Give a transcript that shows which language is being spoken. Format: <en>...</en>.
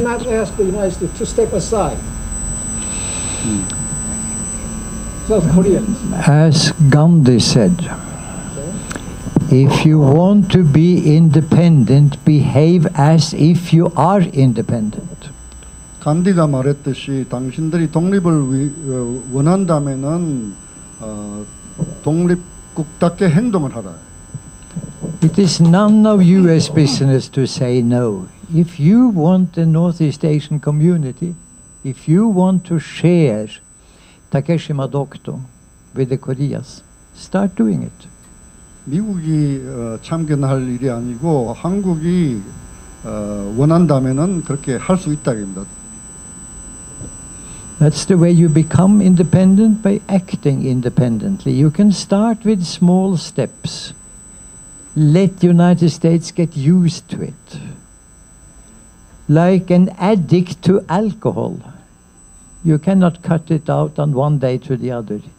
<en>You cannot ask the United States to step aside. South Koreans. As Gandhi said, okay. If you want to be independent, behave as if you are independent.</en> <ko>간디가 말했듯이 당신들이 독립을 원한다면은 독립국답게 행동을 하라.</ko> <en>It is none of US business to say no. If you want the Northeast Asian community, if you want to share Takeshi Madokuto with the Koreas, start doing it.</en> <ko>미국이 참견할 일이 아니고 한국이 원한다면은 그렇게 할 수 있다입니다.</ko> <en>That's the way you become independent by acting independently. You can start with small steps. Let United States get used to it. Like an addict to alcohol. You cannot cut it out on one day to the other.</en>